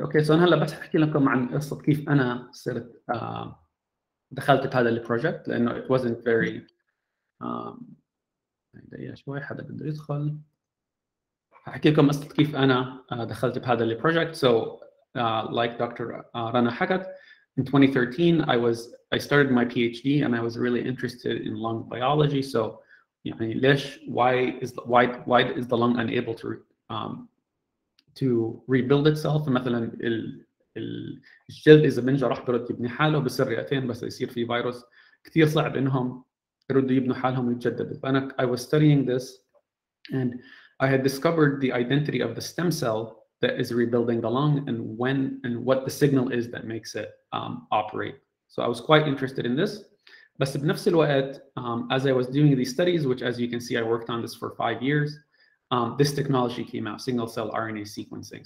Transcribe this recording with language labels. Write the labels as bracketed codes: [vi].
[en] Okay, so [ar] هلا بس أحكي لكم عن قصة كيف أنا صرت دخلت بهذا البروجكت, لأنه [en] it wasn't very [ar] شوي حدا بده يدخل. أحكي لكم قصة كيف أنا دخلت بهذا البروجكت. [en] So like Dr. Rana [ar] حكت, [en] in 2013 I started my PhD and I was really interested in lung biology. So [ar] يعني ليش, [en] why is the lung unable to rebuild itself? [ar] مثلا الجلد إذا بنجرح برد يبني حاله بصير رئتين, بس يصير في فيروس كثير صعب إنهم يردوا يبنوا حالهم ويتجددوا. فأنا [en] I was studying this and I had discovered the identity of the stem cell that is rebuilding the lung and when and what the signal is that makes it operate. So I was quite interested in this. [ar] بس بنفس الوقت, [en] as I was doing these studies, which as you can see, I worked on this for 5 years, this technology came out, single cell RNA sequencing.